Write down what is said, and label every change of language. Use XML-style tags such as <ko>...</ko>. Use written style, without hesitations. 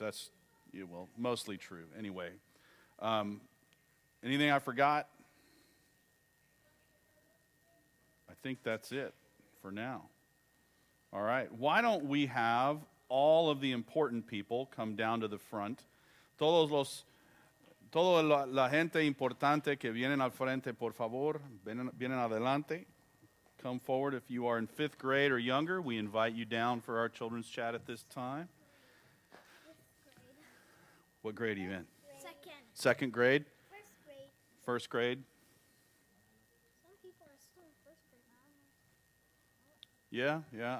<en>That's, mostly true. Anyway. Anything I forgot? I think that's it for now. All right. Why don't we have all of the important people come down to the front?</en> <es>Todo la gente importante que vienen al frente, por favor, vienen adelante.</es> <en>Come forward. If you are in fifth grade or younger, we invite you down for our children's chat at this time. What grade are you in? Second. Second grade? First grade. Some people are still in first grade, but I don't know. Yeah.</en>